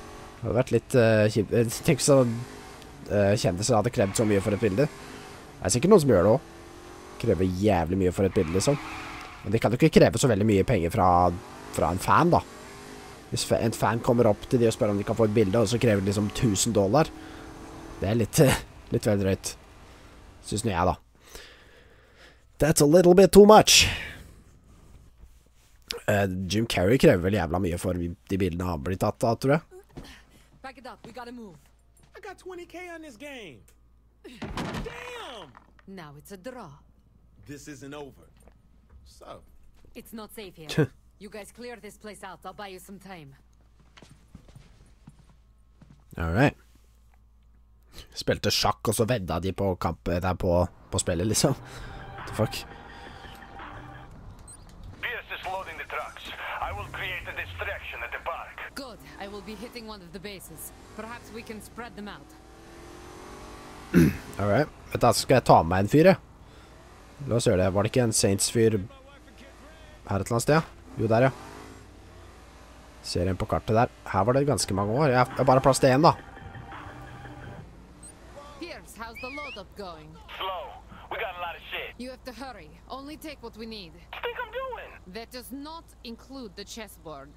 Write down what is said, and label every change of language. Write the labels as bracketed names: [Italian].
[Norwegian] Det hadde vært litt kjipt. Tenk sånn kjendiser hadde krevet så mye for et bilde. Det er sikkert noen som gjør det også. Krever jævlig mye for et bilde, liksom. Men de kan jo ikke kreve så veldig mye penger fra en fan, da. Hvis en fan kommer opp til de og spør om de kan få et bilde, og så krever de liksom $1000. Det er litt veldig drøyt. Synes nå jeg, da. [English] That's a little bit too much. [Norwegian] Jim Carrey krever vel jævla mye for de bildene har blitt tatt da, tror jeg. [English] Back it up, we gotta move. I got 20k on this game. Damn! Now it's a draw. This isn't over. So? It's not safe here. You guys clear this place out, I'll buy you some time. Alright. [Norwegian] Spilte sjakk, og så vedda de på kampen der på spillet, liksom. Fuck. [English] Pierce is loading the trucks. I will create a distraction at the park. Good. I will be hitting one of the bases. Perhaps we can spread them out. Alright. [Norwegian] Vet du, så skal jeg ta med en fyr, ja. La oss gjøre det. Var det ikke en Saints-fyr her et eller annet sted, ja? Jo, der, ja. Ser en på kartet der. Her var det ganske mange år. Jeg har bare plass til en, da. [English] Pierce, how's the load-up going? Slow. We got a lot of shit. You have to hurry. Only take what we need. What do you think I'm doing? That does not include the chessboard.